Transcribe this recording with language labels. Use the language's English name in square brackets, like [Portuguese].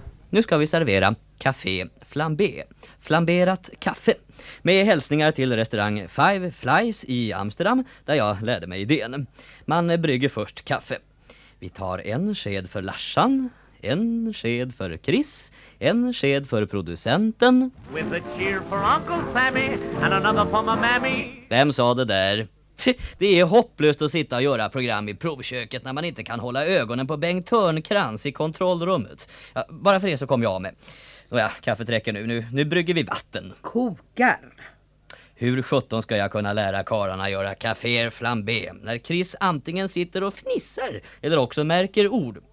[Swedish] Nu ska vi servera Café Flambé. Flamberat kaffe. Med hälsningar till restaurang Five Flies i Amsterdam, där jag lärde mig idén. Man brygger först kaffe. Vi tar en sked för Larsan, en sked för Chris, en sked för producenten. [English] With a cheer for Uncle Sammy and another for my mammy. [Swedish] Vem sa det där? Det är hopplöst att sitta och göra program i provköket när man inte kan hålla ögonen på Bengt Törnkrans i kontrollrummet. Ja, bara för det så kom jag med. Nåja, kaffet räcker nu. Nu brygger vi vatten. Kokar. Hur sjutton ska jag kunna lära kararna göra Café Flambé när Chris antingen sitter och fnissar eller också märker ord?